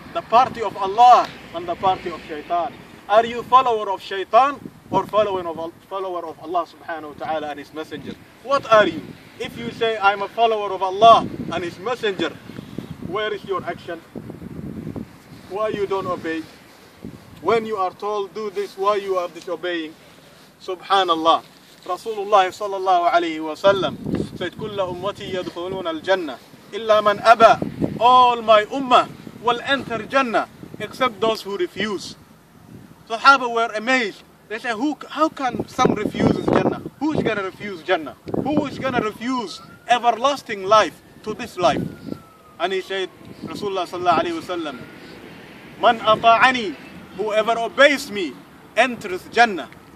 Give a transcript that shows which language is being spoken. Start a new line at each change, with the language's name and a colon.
English: The party of Allah and the party of shaytan. Are you follower of shaytan or follower of Allah subhanahu wa ta'ala and his messenger? What are you? If you say, I'm a follower of Allah and his messenger, where is your action? Why you don't obey? When you are told, do this, why you are disobeying? Subhanallah. Rasulullah sallallahu alayhi wa sallam said,
Arabic: كل أمتي يدخلون الجنة إلا من أبى.
English: All my ummah will enter Jannah except those who refuse. Sahaba were amazed. They say, how can some refuse Jannah? Who's gonna refuse Jannah? who is gonna refuse everlasting life to this life? And he said, Rasulullah sallallahu alayhi wa sallam, man ata'ani, whoever obeys me, enters Jannah.